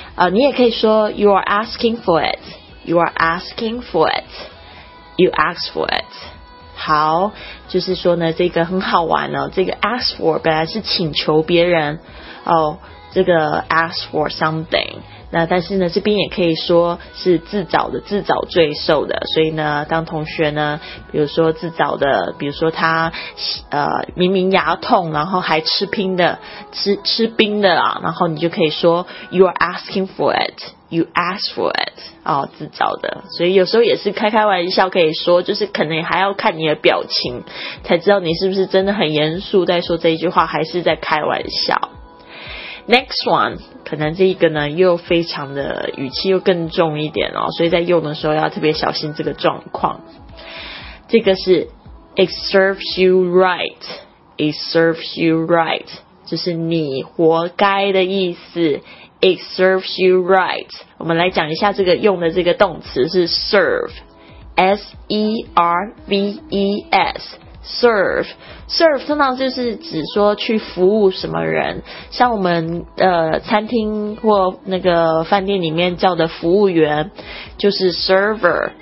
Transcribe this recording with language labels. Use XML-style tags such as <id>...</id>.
<zh>你也可以说</zh> <en>You are asking for it. You are asking for it. You ask for it.</en> <zh>好，就是说呢，这个很好玩哦。这个 ask for 本来是请求别人哦，这个</zh> <en>ask for something。</en> <zh>那但是呢，这边也可以说是自找的，自找罪受的。所以呢，当同学呢，比如说自找的，比如说他明明牙痛，然后还吃冰的啊，然后你就可以说</zh> <en>you are asking for it。 You ask for it,</en> <zh>哦，自找的。所以有时候也是开开玩笑可以说，就是可能还要看你的表情才知道你是不是真的很严肃在说这一句话还是在开玩笑。</zh> <en>Next one,</en> <zh>可能这一个呢又非常的语气又更重一点哦，所以在用的时候要特别小心这个状况。这个是</zh> <en>It serves you right, It serves you right,</en> <zh>就是你活该的意思。</zh> <en>It serves you right.</en> <zh>我们来讲一下这个用的这个动词是 serve.</zh> <en>S-E-R-V-E-S. Serve.</en> <zh>Serve 通常就是指说去服务什么人。像我们餐厅或那个饭店里面叫的服务员就是 server.</zh>